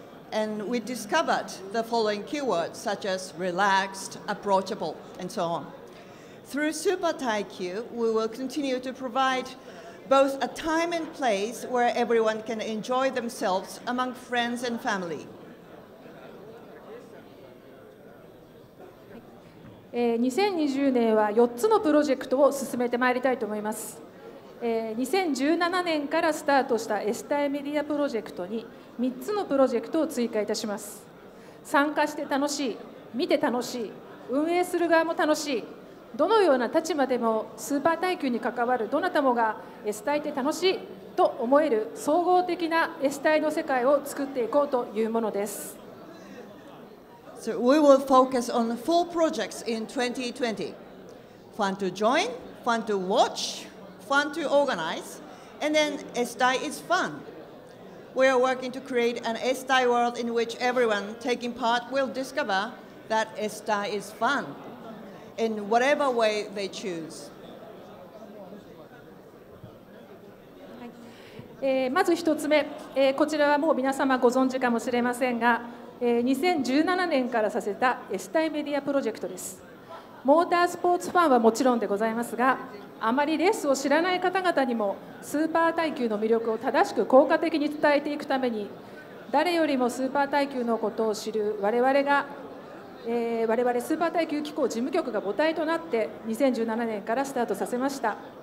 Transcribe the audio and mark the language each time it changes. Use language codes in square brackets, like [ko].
[en] And we discovered the following keywords such as relaxed, approachable, and so on. Through Super Taikyu, we will continue to provide both a time and place where everyone can enjoy themselves among friends and family. [ja] 2020年は4つのプロジェクトを進めてまいりたいと思います。 2017年からスタートした S 帯メディアプロジェクトに3つのプロジェクトを追加いたします。参加して楽しい、見て楽しい、運営する側も楽しい、どのような立場でもスーパー耐久に関わるどなたもが S 帯って楽しいと思える総合的な S 帯の世界を作っていこうというものです。 [en] So we will focus on 4 projects in 2020. Fun to join, fun to watch, fun to organize, And then SDI is fun. We are working to create an SDI world in which everyone taking part will discover that SDI is fun in whatever way they choose. [ja] まず一つ目、こちらはもう皆様ご存知かもしれませんが、2017年からさせた SDI メディアプロジェクトです。モータースポーツファンはもちろんでございますが、あまりレースを知らない方々にもスーパー耐久の魅力を正しく効果的に伝えていくために、誰よりもスーパー耐久のことを知る我々が、我々スーパー耐久機構事務局が母体となって2017年からスタートさせました。